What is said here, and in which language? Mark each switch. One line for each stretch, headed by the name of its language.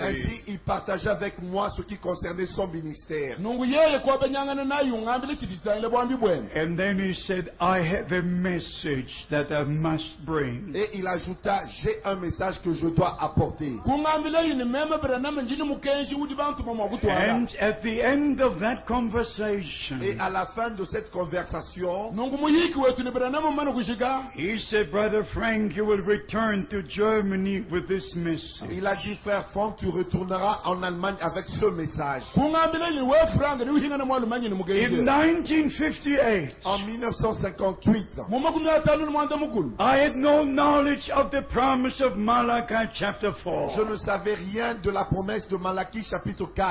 French: Ainsi, il partageait avec moi ce qui concernait son ministère.
English: And then he said, I have a message that I must bring.
French: Et il ajouta, j'ai un message que je dois apporter.
English: And at the end of that conversation,
French: et à la fin de cette conversation,
English: he said, Brother Frank, you will return to Germany with this message.
French: Il a dit, Frère Frank, tu retourneras en Allemagne avec ce message.
English: In 1958,
French: en 1958,
English: I had no knowledge of the promise of Malachi chapter 4.
French: Je ne savais rien de la promesse de Malachi chapitre